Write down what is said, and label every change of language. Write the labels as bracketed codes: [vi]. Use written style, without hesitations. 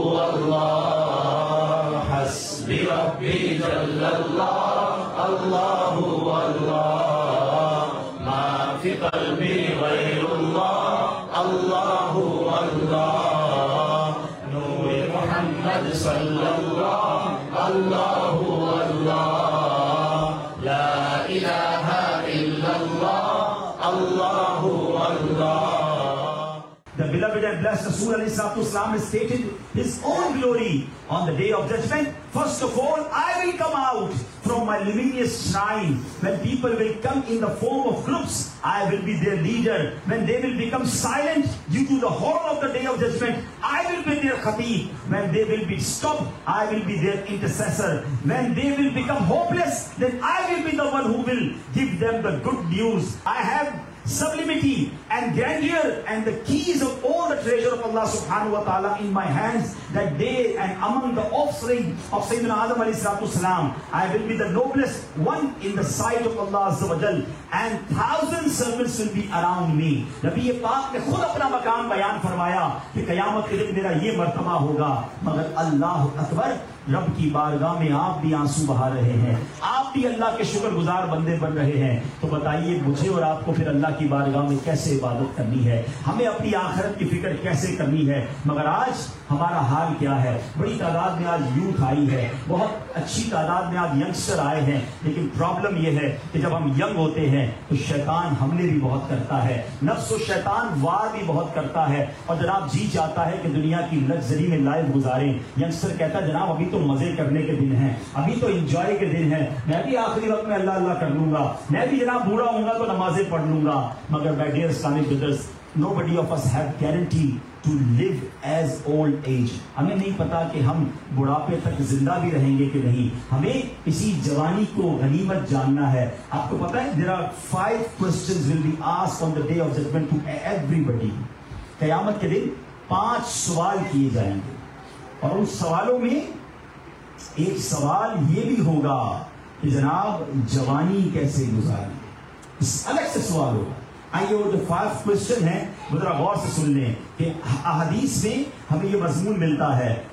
[ar] اللہ حسبی ربی جل اللہ اللہ اللہ ما فی قلبی غیر اللہ اللہ اللہ نور محمد صلی اللہ اللہ اللہ لا الہ الا اللہ اللہ اللہ. [en] The beloved and blessed Rasul Ali Sallallahu Alaihi Wasallam has stated his own glory on the day of judgment. First of all, I will come out from my luminous shrine. When people will come in the form of groups, I will be their leader. When they will become silent due to the horror of the day of judgment, I will be their khatib. When they will be stopped, I will be their intercessor. When they will become hopeless, then I will be the one who will give them the good news. I have sublimity and grandeur and the keys of all the treasure of Allah subhanahu wa ta'ala in my hands that day, and among the offspring of Sayyidina Adam alayhi salatu salam, I will be the noblest one in the sight of Allah azza wa jal, and thousand servants will be around me. [ur] Nabi Pak ne khud apna maqam bayan farmaya ki qiyamah ke din mera ye martaba hoga, magar Allahu akbar, رب کی بارگاہ میں آپ بھی آنسو بہا رہے ہیں, آپ بھی اللہ کے شکر گزار بندے بن رہے ہیں, تو بتائیے مجھے اور آپ کو پھر اللہ کی بارگاہ میں کیسے عبادت کرنی ہے, ہمیں اپنی آخرت کی فکر کیسے کرنی ہے. مگر آج ہمارا حال کیا ہے, بڑی تعداد میں آج یوتھ آئی ہے, بہت اچھی تعداد میں آج ینگسٹر آئے ہیں, لیکن پرابلم یہ ہے کہ جب ہم ینگ ہوتے ہیں تو شیطان حملے بھی بہت کرتا ہے, نفس و شیطان وار بھی بہت کرتا ہے, اور جناب جی چاہتا ہے کہ دنیا کی لگژری میں لائف گزاریں. ینگسٹر کہتا ہے جناب ابھی تو مزے کرنے کے دن ہیں, ابھی تو انجوائے کے دن ہیں, میں بھی آخری وقت میں اللہ اللہ کر لوں گا, میں بھی جناب بوڑھا ہوں گا تو نمازیں پڑھ لوں گا. [en] مگر my dear Islamic brothers, Nobody of us have guarantee to live as old age. [ur] ہمیں نہیں پتا کہ ہم بڑھاپے تک زندہ بھی رہیں گے کہ نہیں, ہمیں اسی جوانی کو غنیمت جاننا ہے. آپ کو پتا ہے [en] there are 5 questions will be asked on the day of judgment to everybody. [ur] قیامت کے دن 5 سوال کیے جائیں گے, اور ان سوالوں میں ایک سوال یہ بھی ہوگا کہ جناب جوانی کیسے گزاری, اس الگ سے سوال ہوگا. آئیے اور جو 5 کوشچن ہیں وہ ذرا غور سے سن لیں کہ احادیث میں ہمیں یہ مضمون ملتا ہے.